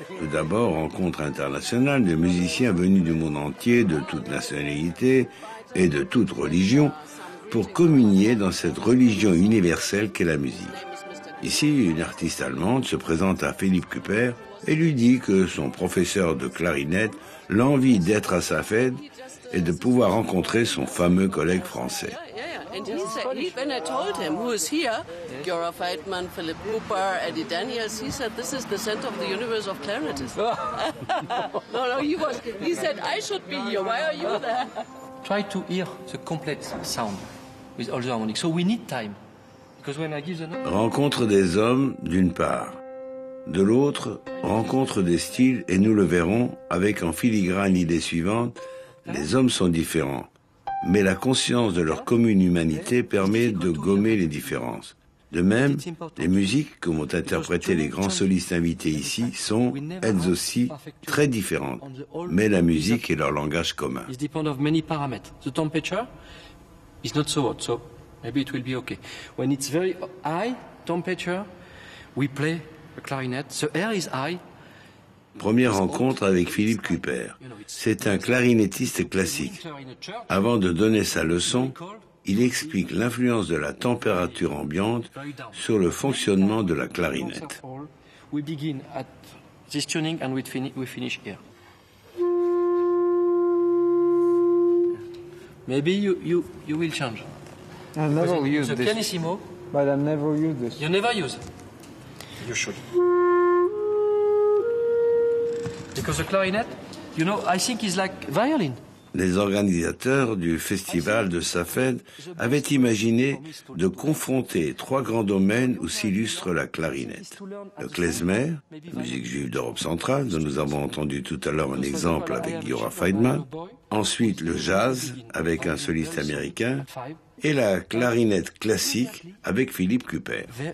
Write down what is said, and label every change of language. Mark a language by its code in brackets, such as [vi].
[fr] Tout d'abord, rencontres internationales de musiciens venus du monde entier, de toute nationalité et de toute religion, pour communier dans cette religion universelle qu'est la musique. Ici, une artiste allemande se présente à Philippe Cuper et lui dit que son professeur de clarinette l'envie d'être à sa fête et de pouvoir rencontrer son fameux collègue français. [en] And he said, when I told him who is here, yes. Gyora Feidman, Philip Cuper, Eddie Daniels, he said, this is the center of the universe of clarinetists. No, no, he was. He said, I should be here. Why are you there? Try to hear the complete sound with all the harmonics. So we need time. Because when I give the note. [fr] Rencontre des hommes, d'une part. De l'autre, rencontre des styles, et nous le verrons avec en filigrane l'idée suivante, les hommes sont différents. Mais la conscience de leur commune humanité permet de gommer les différences. De même, les musiques que m'ont interprétées les grands solistes invités ici sont, elles aussi, très différentes. Mais la musique est leur langage commun. [en] It depends of many parameters. The temperature is not so hot, so maybe it will be okay. When it's very high temperature, we play a clarinet. The air is high. [fr] Première rencontre avec Philippe Cuper. C'est un clarinettiste classique. Avant de donner sa leçon, il explique l'influence de la température ambiante sur le fonctionnement de la clarinette. [en] Maybe you will change. I never use this. The pianissimo. But I never use this. You never use. You should. Because the clarinet, you know, I think it's like violin. [fr] Les organisateurs du festival de Safed avaient imaginé de confronter trois grands domaines où s'illustre la clarinette. Le klezmer, la musique juive d'Europe centrale, dont nous avons entendu tout à l'heure un exemple avec Gyora Feidman. Ensuite, le jazz, avec un soliste américain. Et la clarinette classique, avec Philippe Kuper.